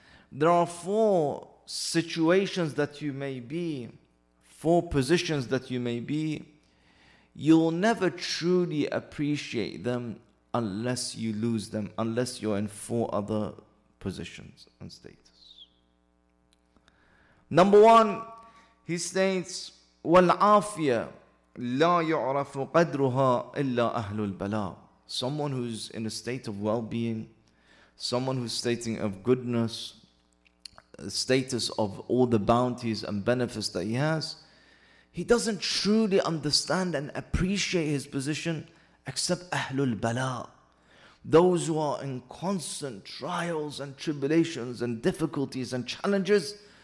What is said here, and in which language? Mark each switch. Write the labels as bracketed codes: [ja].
[en] There are four situations that you may be, four positions that you may be, you'll never truly appreciate them unless you lose them, unless you're in four other positions and status. Number one, he states, [ar] وَالْعَافِيَةَ لَا يُعْرَفُ قَدْرُهَا إِلَّا أَهْلُ الْبَلَاءِ. [en] Someone who's in a state of well-being, someone who's stating of goodness, status of all the bounties and benefits that he has, he doesn't truly understand and appreciate his position except Ahlul Bala, those who are in constant trials and tribulations and difficulties and challenges.